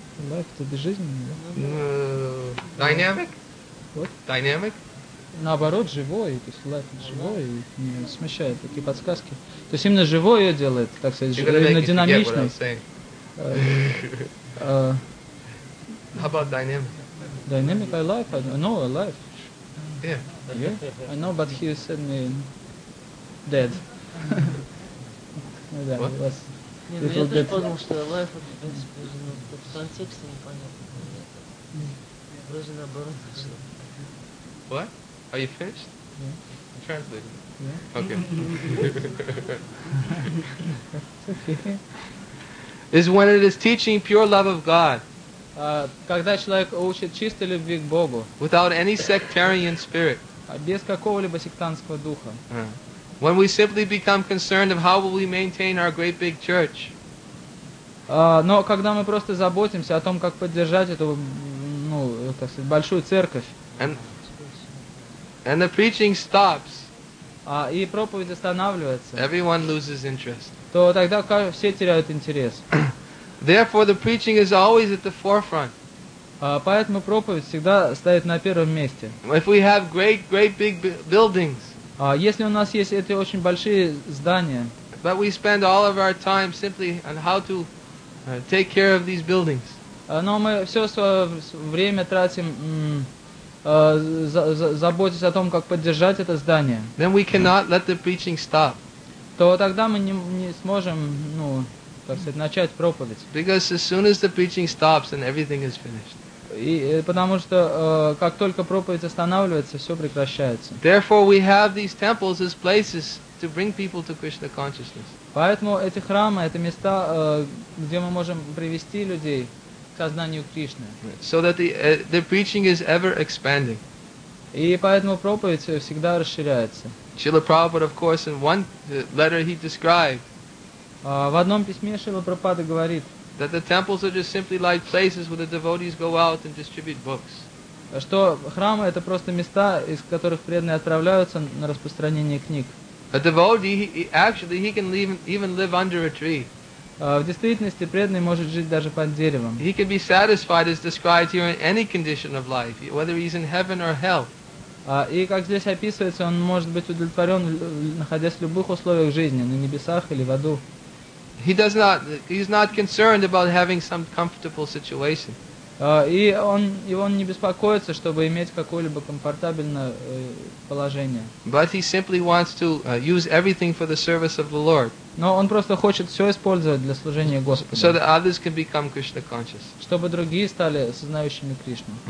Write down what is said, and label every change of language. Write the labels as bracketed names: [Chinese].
[Russian] Life это безжизненно, да? [English] Dynamic? What? Dynamic? [Russian] Наоборот, живой, то есть life живой, не смещает такие подсказки. То есть именно живое ее делает, так сказать, именно динамичной. [English] You're gonna make me forget what I'm saying. How about dynamic? Dynamic, I like, I know, I like. Yeah. Yeah, I know, but he said me dead. Yeah, what? It was... [Russian] Не, ну я даже понял, что life, в принципе, уже, ну, в контексте непонятно. Вроде наоборот. [English] What? Are you finished? Yeah. Translated? Yeah. Okay. It's okay. Is when it is teaching pure love of God. [Russian] Когда человек учит чистой любви к Богу. [English] Without any sectarian spirit. [Russian] Без какого-либо сектантского духа. [English] When we simply become concerned of how will we maintain our great big church. [Russian] Но когда мы просто заботимся о том, как поддержать эту, ну, так сказать, большую церковь. [English] And the preaching stops. [Russian] И проповедь останавливается. [English] Everyone loses interest. [Russian] То тогда все теряют интерес. [English] Therefore, the preaching is always at the forefront. [Russian] Поэтому проповедь всегда стоит на первом месте. [English] If we have great, great big buildings. [Russian] Если у нас есть эти очень большие здания, [English] but we spend all of our time simply on how to take care of these buildings. [Russian] Но мы все свое время тратим заботиться о том, как поддержать это здание. [English] Then we cannot let the preaching stop. [Russian] То тогда мы не сможем, ну, так сказать, начать проповедь. [English] Because as soon as the preaching stops, then everything is finished. [Russian] И потому что как только проповедь останавливается, все прекращается. [English] Therefore, we have these temples as places to bring people to Krishna consciousness. [Russian] Поэтому эти храмы, это места, где мы можем привести людей к сознанию Кришны. [English] So that the preaching is ever expanding. [Russian] И поэтому проповедь всегда расширяется. [English] Srila Prabhupada, of course, in one letter he described. [Russian] В одном письме Шрила Прабхупада говорит. [English] That the temples are just simply like places where the devotees go out and distribute books. [Russian] Что храмы это просто места, из которых преданные отправляются на распространение книг. [English] A devotee, he can even live under a tree. [Russian] В действительности преданный может жить даже под деревом. [English] He can be satisfied, as described here, in any condition of life, whether he's in heaven or hell. [Russian] И как здесь описывается, он может быть удовлетворен, находясь в любых условиях жизни, на небесах или в аду. [English] He's not concerned about having some comfortable situation. [Russian] И он не беспокоится, чтобы иметь какое-либо комфортабельное положение. [English] But he simply wants to use everything for the service of the Lord. [Russian] Но он просто хочет все использовать для служения Господу. [English] So that others can become Krishna conscious. [Russian] Чтобы другие стали сознающими Кришну.